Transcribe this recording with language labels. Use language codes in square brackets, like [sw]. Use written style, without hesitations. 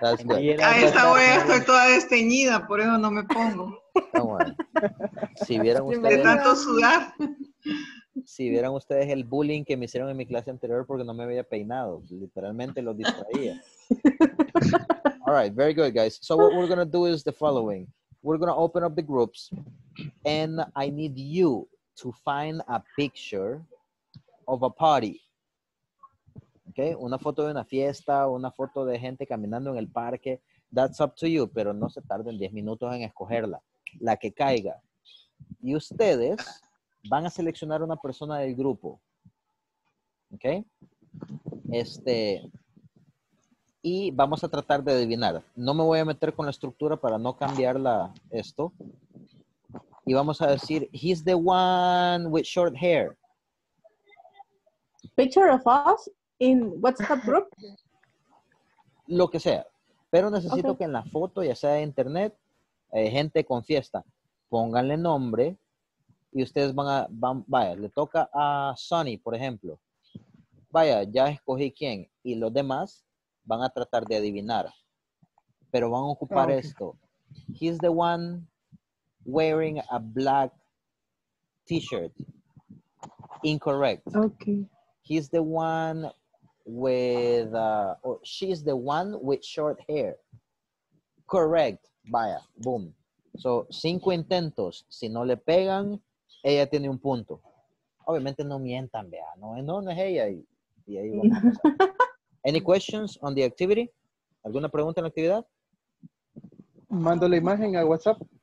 [en] That's good. [es] A esta hora estoy toda desteñida, por eso no me pongo. [en] Come on. [es] Si vieran ustedes... De tanto sudar... Si vieran ustedes el bullying que me hicieron en mi clase anterior porque no me había peinado, literalmente lo distraía. [en] All right, very good, guys. So what we're going to do is the following. We're going to open up the groups and I need you to find a picture of a party. Okay? [es] Una foto de una fiesta, una foto de gente caminando en el parque. [en] That's up to you, [es] pero no se tarden 10 minutos en escogerla. La que caiga. Y ustedes... van a seleccionar una persona del grupo. ¿Ok? Y vamos a tratar de adivinar. No me voy a meter con la estructura para no cambiar esto. Y vamos a decir, [en] he's the one with short hair. Picture of us in WhatsApp group? [es] Lo que sea. Pero necesito que en la foto, ya sea de internet, gente con fiesta, pónganle nombre y ustedes van a, van, vaya, le toca a Sunny, por ejemplo. Vaya, ya escogí quién. Y los demás van a tratar de adivinar. Pero van a ocupar esto. [en] He's the one wearing a black t-shirt. Incorrect. Okay. He's the one with, or she's the one with short hair. Correct. Vaya, boom. So, 5 intentos. [es] Si no le pegan, ella tiene un punto. Obviamente no mientan, vea. No, no, no es ella. Y ahí vamos. [en] Any questions on the activity? [es] ¿Alguna pregunta en la actividad? Mando la imagen a WhatsApp.